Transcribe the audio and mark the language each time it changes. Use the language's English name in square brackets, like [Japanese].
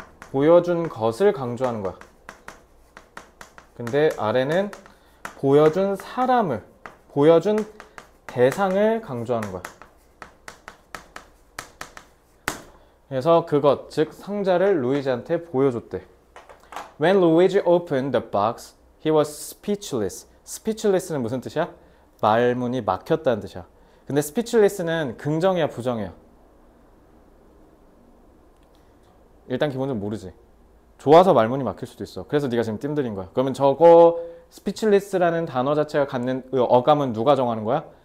[Korean] 보여준 것을 강조하는 거야. 근데 아래는 보여준 사람을, 보여준 대상을 강조하는 거야. 그래서 그것, 즉 상자를 루이지한테 보여줬대. [English] When Luigi opened the box, he was speechless. [Korean] Speechless는 무슨 뜻이야? 말문이 막혔다는 뜻이야. 근데 speechless는 긍정이야, 부정이야? 일단 기본적으로 모르지. 좋아서 말문이 막힐 수도 있어. 그래서 네가 지금 띔들인 거야. 그러면 저거 speechless라는 단어 자체가 갖는 어감은 누가 정하는 거야?